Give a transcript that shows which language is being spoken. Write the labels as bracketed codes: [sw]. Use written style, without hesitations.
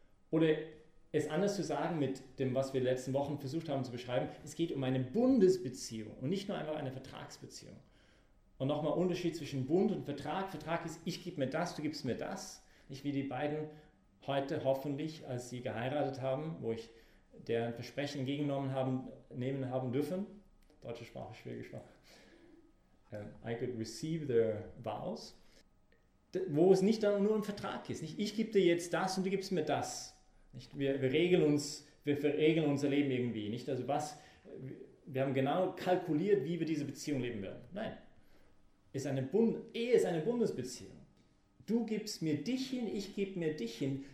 [de] Oder es anders zu sagen mit dem, was wir in den letzten Wochen versucht haben zu beschreiben, es geht um eine Bundesbeziehung und nicht nur einfach eine Vertragsbeziehung. Und nochmal Unterschied zwischen Bund und Vertrag. Vertrag ist, ich gebe mir das, du gibst mir das. Nicht wie die beiden heute hoffentlich, als sie geheiratet haben, wo ich deren Versprechen entgegengenommen haben, nehmen haben dürfen. Deutsche Sprache, schwierige Sprache. [en] I could receive their vows. [de] Wo es nicht dann nur ein Vertrag ist. Nicht? Ich gebe dir jetzt das und du gibst mir das. Nicht? Wir regeln unser Leben irgendwie. Nicht? Also wir haben genau kalkuliert, wie wir diese Beziehung leben werden. Nein. Ehe ist eine Bundesbeziehung. Du gibst mir dich hin, ich gebe mir dich hin.